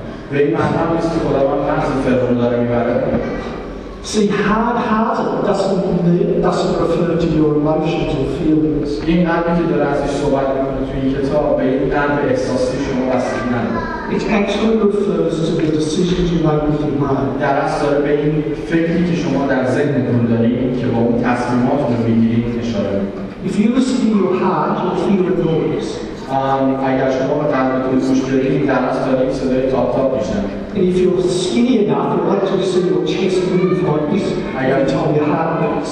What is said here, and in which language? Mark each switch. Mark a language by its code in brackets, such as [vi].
[fa] به این معنی نیست که خداوند مغز فرعون داره می‌بره. [en] See, hard-hearted doesn't refer to your emotions or feelings. [fa] این قلبی که داره ازش صحبت میکنه توی این کتاب به این قلب احساسی شما بستگی نداره. [en] It actually refers to the decisions you make with your mind. [fa] در اصل داره به این فکری که شما در ذهنتون دارید که با اون تصمیمات رو میگیرید اشاره میکنه. [en] If you listen to your heart, you'll feel a noise. [fa] اگر شما به قلبتون گوش بدید، در اصل داره این صدای تاپ تاپ میشنوید. [en] And if you're skinny enough, you'll actually see your chest move like this every time your heart beats.